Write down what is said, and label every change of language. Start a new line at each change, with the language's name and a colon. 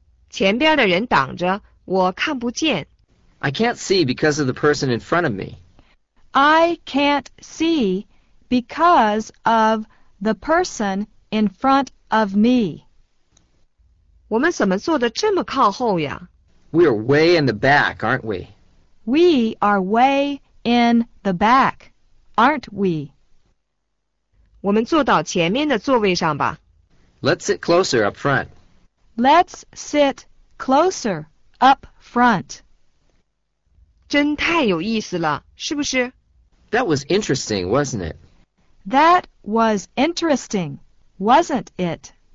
Chinese: 前边的人挡着，我看不见。
English: I can't see because of the person in front of me. I can't see because of the person in front of me.
Chinese: 我们怎么坐得这么靠后呀
English: ？We are way in the back, aren't we? We are way in the back, aren't we?
Chinese: 我们坐到前面的座位上吧。
English: Let's sit closer up front. Let's sit. Closer, up front.
Chinese: 真太有意思了，是不是
English: That was interesting, wasn't it? That was interesting, wasn't it?